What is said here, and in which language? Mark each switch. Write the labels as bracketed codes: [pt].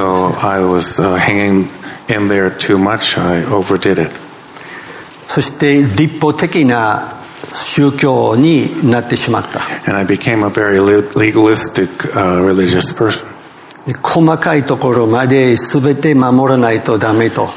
[en] So I was hanging in there too much. I overdid it. [ja] そして立法的な宗教になってしまった。 [en] And I became a very legalistic religious person. [ja] 細かいところまで全て守らないとダメと。